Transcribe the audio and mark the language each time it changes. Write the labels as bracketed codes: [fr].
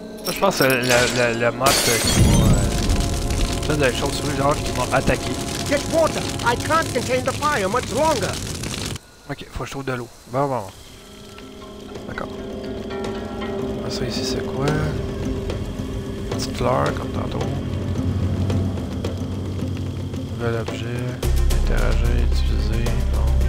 [fr] Je pense que le mot qui m'a... C'est la chose sur le genre qui m'a attaqué. [en] Get water! I can't contain the fire much longer! [fr] Ok, faut que je trouve de l'eau. Bon, bon, bon. D'accord. Ça ici, c'est quoi? Petite fleur, comme tantôt. Nouvel objet. Interagir, utiliser. Bon.